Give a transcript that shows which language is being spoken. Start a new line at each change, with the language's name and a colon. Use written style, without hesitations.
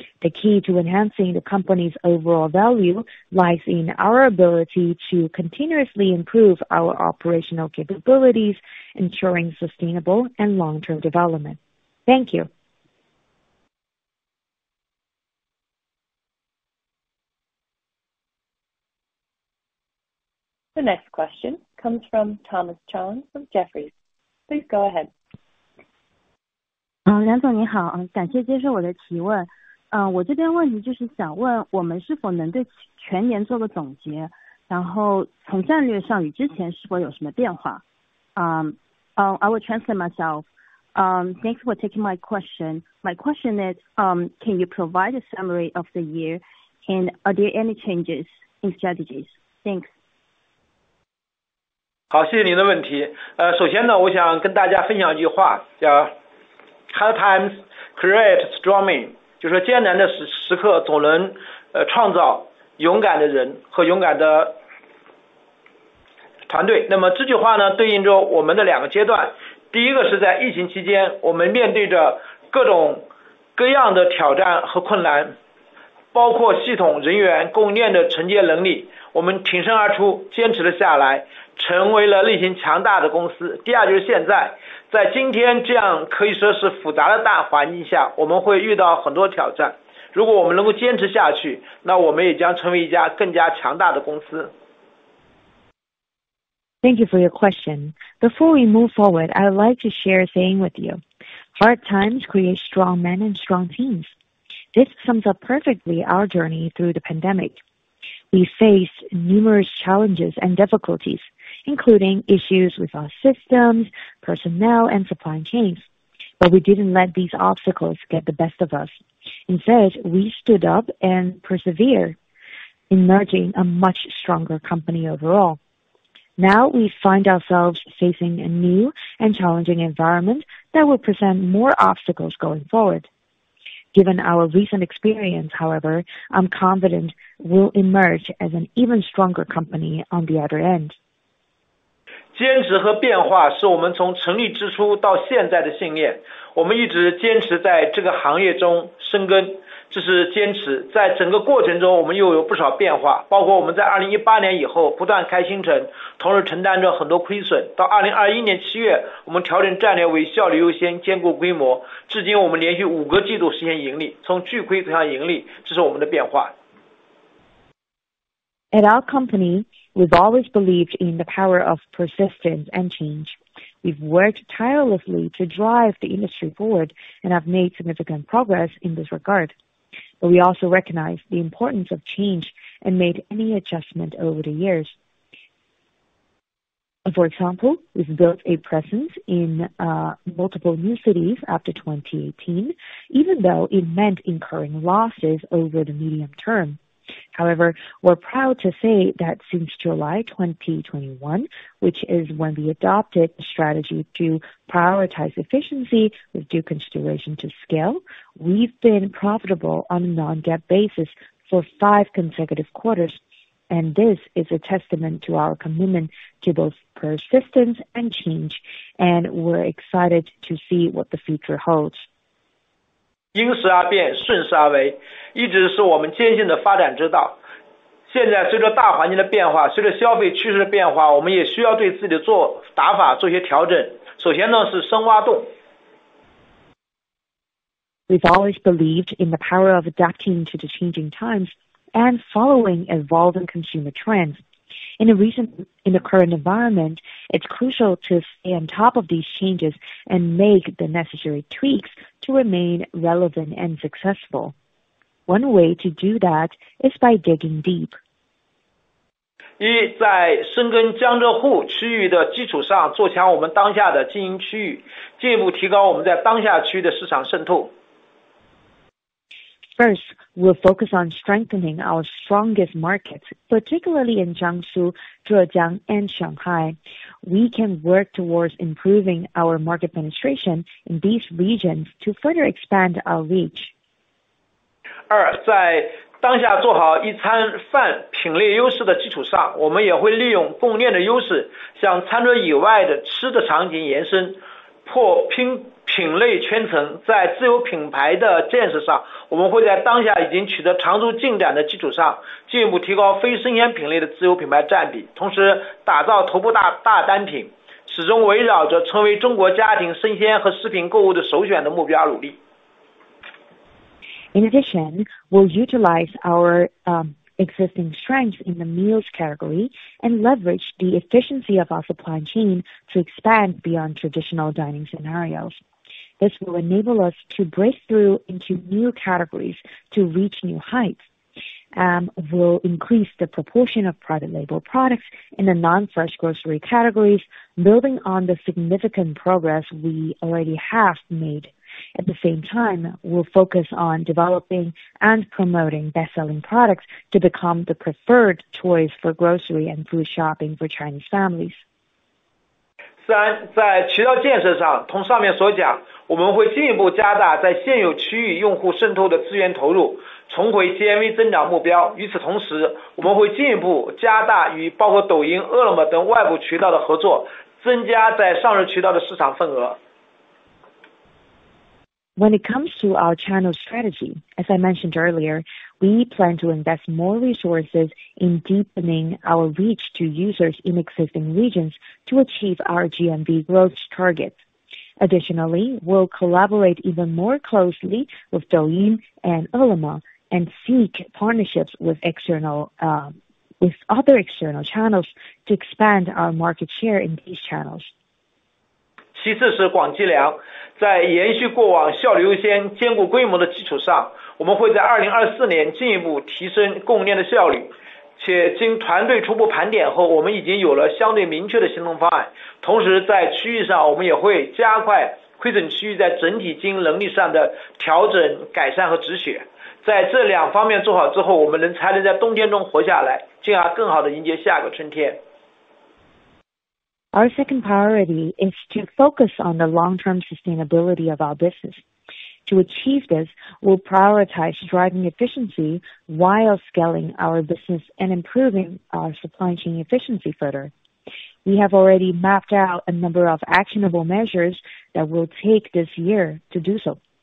English: The key to enhancing the company's overall value lies in our ability to continuously improve our operational capabilities, ensuring sustainable and long-term development. Thank you. The next question comes from Thomas Chong from Jefferies. Please go ahead.
Chinese: 梁总你好，感谢接受我的提问。我这边问题就是想问我们是否能对全年做个总结，然后从战略上与之前是否有什么变化。
English: I will translate myself. Thanks for taking my question. My question is, can you provide a summary of the year and are there any changes in strategies? Thanks.
Chinese: 好，谢谢您的问题。首先呢，我想跟大家分享一句话，叫
English: "Hard times create strong men"，
Chinese: 就是艰难的时刻总能创造勇敢的人和勇敢的团队。那么这句话呢，对应着我们的两个阶段。第一个是在疫情期间，我们面对着各种各样的挑战和困难，包括系统、人员、供应链的承接能力，我们挺身而出，坚持了下来。成为了类型强大的公司。第二就是现在，在今天这样可以说是复杂的大环境下，我们会遇到很多挑战。如果我们能够坚持下去，那我们也将成为一家更加强大的公司。
English: Thank you for your question. Before we move forward, I would like to share a saying with you. Hard times create strong men and strong teams. This sums up perfectly our journey through the pandemic. We faced numerous challenges and difficulties. Including issues with our systems, personnel, and supply chains. But we didn't let these obstacles get the best of us. Instead, we stood up and persevered, emerging a much stronger company overall. Now we find ourselves facing a new and challenging environment that will present more obstacles going forward. Given our recent experience, however, I'm confident we'll emerge as an even stronger company on the other end.
Chinese: 坚持和变化是我们从成立之初到现在的信念。我们一直坚持在这个行业中深耕，这是坚持。在整个过程中，我们又有不少变化，包括我们在2018年以后不断开新城，同时承担着很多亏损。到2021年7月，我们调整战略为效率优先，兼顾规模。至今，我们连续五个季度实现盈利，从巨亏走向盈利，这是我们的变化。
English: At our company,We've always believed in the power of persistence and change. We've worked tirelessly to drive the industry forward and have made significant progress in this regard. But we also recognize the importance of change and made any adjustment over the years. For example, we've built a presence in multiple new cities after 2018, even though it meant incurring losses over the medium term. However, we're proud to say that since July 2021, which is when we adopted the strategy to prioritize efficiency with due consideration to scale, we've been profitable on a non-GAAP basis for five consecutive quarters. And this is a testament to our commitment to both persistence and change. And we're excited to see what the future holds.
Chinese: 因时而变，顺势而为，一直是我们坚信的发展之道。现在随着大环境的变化，随着消费趋势的变化，我们也需要对自己的打法做些调整。首先呢，是深挖洞。
English: We've always believed in the power of adapting to the changing times and following evolving consumer trends. In the current environment, it's crucial to stay on top of these changes and make the necessary tweaks. To remain relevant and successful. One way to do that is by digging deep.
Chinese: 一，在深耕江浙沪区域的基础上，做强我们当下的经营区域，进一步提高我们在当下区域的市场渗透。
English: First, we'll focus on strengthening our strongest markets, particularly in Jiangsu, Zhejiang, and Shanghai. we can work towards improving our market penetration in these regions to further expand our reach.
Chinese: 二，在当下做好一餐饭品类优势的基础上，我们也会利用供应链的优势，向餐桌以外的吃的场景延伸，破拼品类圈层。在自有品牌的建设上，我们会在当下已经取得长足进展的基础上，进一步提高非生鲜品类的自有品牌占比，同时打造头部大单品，始终围绕着成为中国家庭生鲜和食品购物的首选的目标努力。
English: In addition, we'll utilize our existing strengths in the meals category and leverage the efficiency of our supply chain to expand beyond traditional dining scenarios. This will enable us to break through into new categories to reach new heights. We'll increase the proportion of private label products in the non-fresh grocery categories, building on the significant progress we already have made. At the same time, we'll focus on developing and promoting best-selling products to become the preferred choice for grocery and food shopping for Chinese families.
Chinese: 三，在渠道建设上，同上面所讲，我们会进一步加大在现有区域用户渗透的资源投入，重回 GMV 增长目标。与此同时，我们会进一步加大与包括抖音、饿了么等外部渠道的合作，增加在上述渠道的市场份额。
English: When it comes to our channel strategy, as I mentioned earlier, we plan to invest more resources in deepening our reach to users in existing regions to achieve our GMV growth targets. Additionally, we'll collaborate even more closely with Douyin and Ele.me and seek partnerships with other external channels to expand our market share in these channels.
Chinese: 其次是广积粮，在延续过往效率优先、兼顾规模的基础上，我们会在2024年进一步提升供应链的效率。且经团队初步盘点后，我们已经有了相对明确的行动方案。同时，在区域上，我们也会加快亏损区域在整体经营能力上的调整、改善和止血。在这两方面做好之后，我们才能在冬天中活下来，进而更好地迎接下个春天。
English: Our second priority is to focus on the long-term sustainability of our business. To achieve this, we'll prioritize driving efficiency while scaling our business and improving our supply chain efficiency further. We have already mapped out a number of actionable measures that we'll take this year to do so.